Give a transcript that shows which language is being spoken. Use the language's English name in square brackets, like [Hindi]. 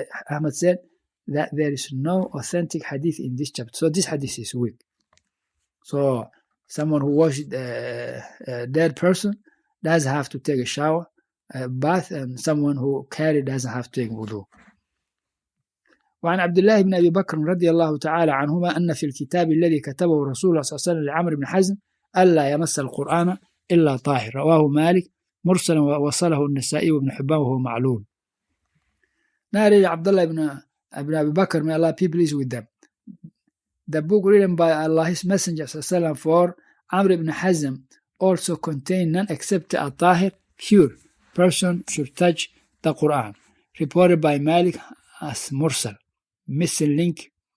[English] أحمد said that there is no authentic hadith in this chapter. So this hadith is weak. So someone who washed a dead person does have to take a shower, a bath, and someone who carried doesn't have to take wudu. [Arabic] وعن عبد الله بن أبي بكر رضي الله تعالى عنهما أن في الكتاب الذي كتبه رسول الله صلى الله عليه وسلم لعمر بن حزم ألا يمس القرآن إلا طاهر. رواه مالك مرسلا ووصله النسائي وابن حبان وهو معلول. ناري عبد الله بن أبي بكر [English] may Allah be pleased with them. The book written by Allah's Messenger وسلم, for Amr ibn Hazm also contains none except a tahir, pure person should touch the Quran. Reported by Malik as Mursal, missing link.